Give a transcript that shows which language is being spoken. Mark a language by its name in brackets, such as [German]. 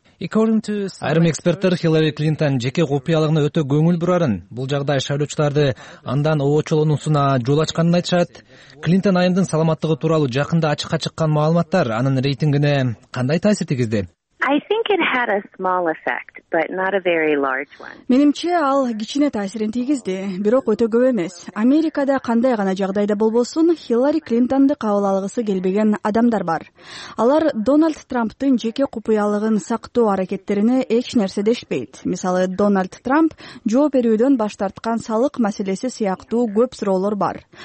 [English] According to some experts, [Kyrgyz] Hillary Clinton жеке копиялыгына өтө көңүл бурарын. Бул жагдай шайлоочуларды андан оочолонуусуна жол ачканын айтышат. Клинтон айымдын саламаттыгы тууралуу жакында ачыкка чыккан маалыматтар анын рейтингине кандай таасир тийгизди? [English] I think it had a small effect, but not a very large one. [Kyrgyz] Менимче ал кичине таасирин тийгизди, бирок өтө көп эмес. Америкада кандай гана жагдайда болбосун, Хиллари Клинтонду кабыл алгысы келбеген адамдар бар. Алар Дональд Трамптын жеке купуялыгын сактоо аракеттерине эч нерсе дешпейт. Мисалы, Дональд Трамп жооп берүүдөн баш тарткан салык маселеси сыяктуу көп суроолор бар.